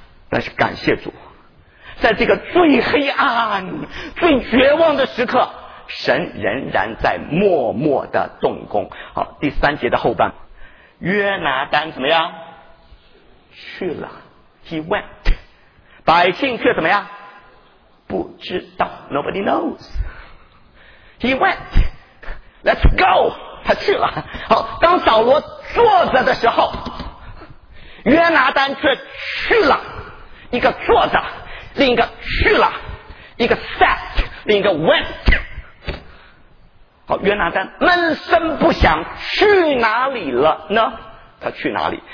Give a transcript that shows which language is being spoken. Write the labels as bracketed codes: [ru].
[zh] 但是感谢主，在这个最黑暗最绝望的时刻，神仍然在默默的动工。好，第三节的后半，约拿单怎么样去了？ [en] He went， [zh] 百姓却怎么样不知道？ [en] Nobody knows。 He went， Let's go， [zh] 他去了。好，当扫罗坐着的时候，约拿单却去了，一个坐着，另一个去了，一个 sat， 另一个 went。好，约拿单闷声不响，去哪里了呢？他去哪里？